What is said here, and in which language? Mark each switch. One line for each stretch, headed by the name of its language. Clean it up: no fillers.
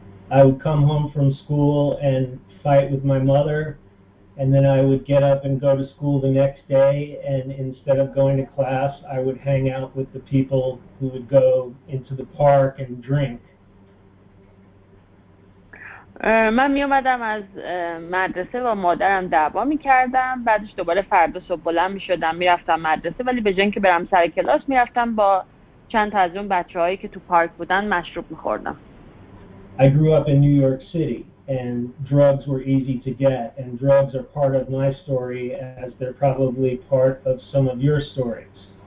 English: I would come home from school and fight with my mother, and then I would get up and go to school the next day, and instead of going to class I would hang out with the people who would go into the park and drink.
Persian: من می اومدم از مدرسه و مادرم دعوا می کردم، بعدش دوباره فردا صبح بلند می شدم می رفتم مدرسه، ولی به جای اینکه برم سر کلاس می رفتم با چند تا از اون بچه هایی که تو پارک بودن مشروب می خوردم.
English: I grew up in New York City and drugs were easy to get, and drugs are part of my story as they're probably part of some of your stories.